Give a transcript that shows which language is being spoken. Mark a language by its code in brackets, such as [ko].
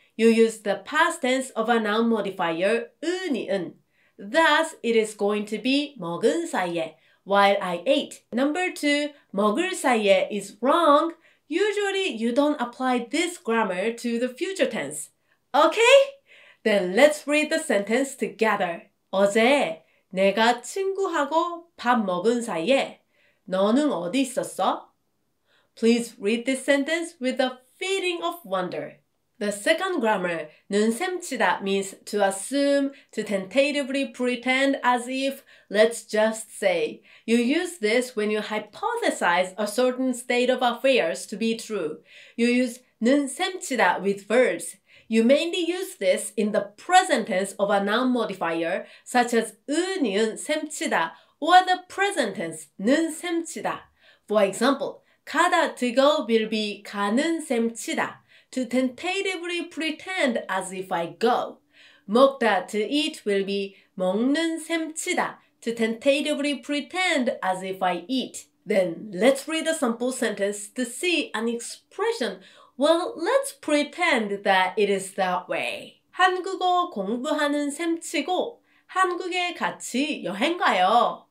[en] you use the past tense of a noun modifier 은이은. Thus, it is going to be 먹은 사이에, while I ate. Number 2, 먹을 사이에 is wrong. Usually, you don't apply this grammar to the future tense. Okay? Then let's read the sentence together. [ko] 어제 내가 친구하고 밥 먹은 사이에 너는 어디 있었어? [en] Please read this sentence with a feeling of wonder. The second grammar, 눈 셈치다, means to assume, to tentatively pretend as if, let's just say. You use this when you hypothesize a certain state of affairs to be true. You use 눈 셈치다 with verbs. You mainly use this in the present tense of a noun modifier, such as 은이은 셈치다, or the present tense 눈 셈치다. For example, 가다 to go will be 가는 셈 치다, to tentatively pretend as if I go. 먹다 to eat will be 먹는 셈 치다, to tentatively pretend as if I eat. Then let's read a sample sentence to see an expression. Well, let's pretend that it is that way. [ko] 한국어 공부하는 셈 치고 한국에 같이 여행 가요.